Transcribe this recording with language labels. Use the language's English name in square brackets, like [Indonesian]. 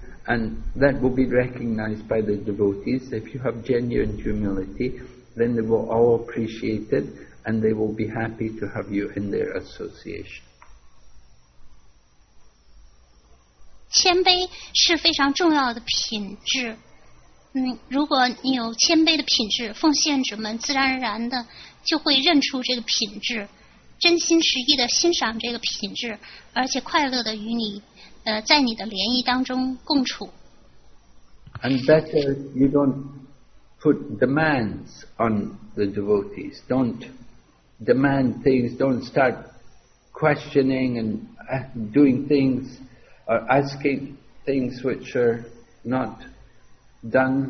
[English] And that will be recognized by the devotees. If you have genuine humility, then they will all appreciate it, and they will be happy to have you in their association. [Chinese] 谦卑是非常重要的品质。如果你有谦卑的品质，奉献者们自然而然的就会认出这个品质，真心实意的欣赏这个品质，而且快乐的与你。在你的联谊当中共处。 [English] And better you don't put demands on the devotees. Don't demand things. Don't start questioning and doing things or asking things which are not done.